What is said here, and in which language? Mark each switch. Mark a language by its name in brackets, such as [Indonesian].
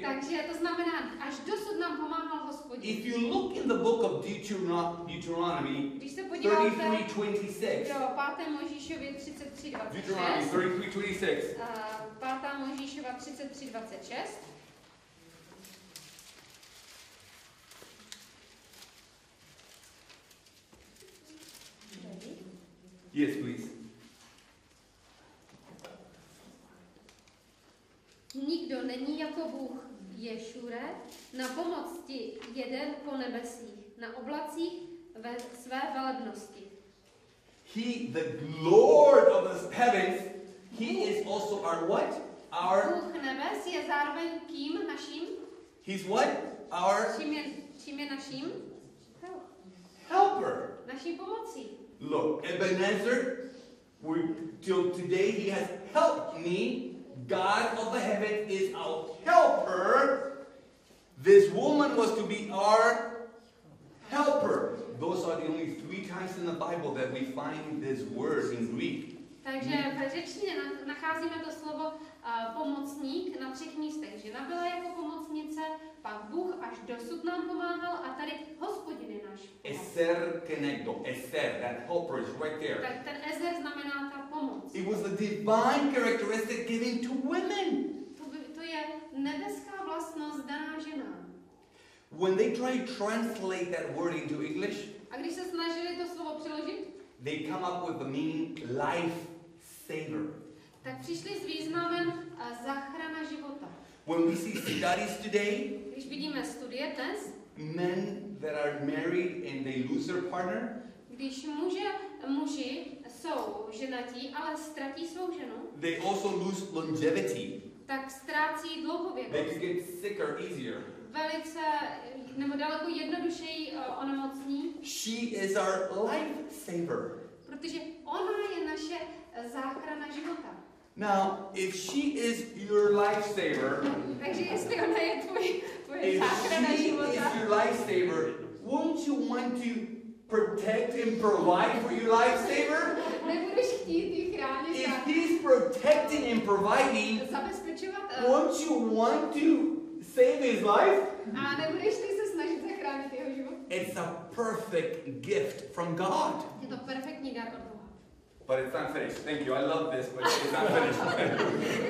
[Czech] Takže to znamená, až dosud nám pomáhal Hospodin. [English] If you look in the book of Deuteronomy, [Czech] 33:26. Jo, 5. Možíšově 33:26. [English] Deuteronomy 33:26. [Czech] 5. Možíšova 33:26. [English] Yes, please. [Czech] Nikdo není jako Bůh, Ješure, na pomoc ti jede po nebesích, na oblacích ve své velebnosti. [English] He, the Lord of the heavens, he is also our what? Our [Czech] Bůh nebes je zároveň kým naším? [English] He's what? Our [Czech] čím je naším? [English] Helper. [Czech] Naší pomocí. [English] Look, Ebenezer, till today he has helped me. God of the heaven is our helper. This woman was to be our helper. Those are the only three times in the Bible that we find this word in Greek. [Czech] Takže v řečtině nacházíme to slovo pomocník na třech místech. Žena byla jako pomocnice, pak Bůh až dosud nám pomáhal a tady Hospodin je náš. [English] Eser kenegdo, eser, that helper is right there. [Czech] Tak ten eser znamená ta pomoc. [English] It was the divine characteristic given to women. [Czech] To je nebeská vlastnost daná ženám. [English] When they try to translate that word into English, [Czech] a když se snažili to slovo přeložit, [English] they come up with the meaning life saver. [Czech] Tak přišli s významem záchrana života. [English] When we see studies today, [Czech] když vidíme studie dnes, [English] men that are married and they lose their partner, [Czech] když muži jsou ženatí, ale ztratí svou ženu, [English] they also lose longevity. [Czech] Tak ztrácí dlouhověkost. [English] They can get sicker easier. [Czech] Velice, nebo daleko jednodušeji onemocní. [English] She is our life saver. [Czech] Protože ona je naše záchrana života. [English] Now, if she is your life saver, [Czech] takže jestli ona je tvoje záchrana života, [English] if she is your life saver, won't you want to protect and provide for your life saver? [Czech] Nebudeš chtít jí chránit? [English] If he's protecting and providing, [Czech] zabezpečovat, [English] won't you want to save his life? [Czech] A nebudeš ty se snažit zachránit jeho život? [English] It's a perfect gift from God. [Czech] Je to perfektní dar od Boha. [English] But it's unfinished. Thank you. I love this, but it's unfinished.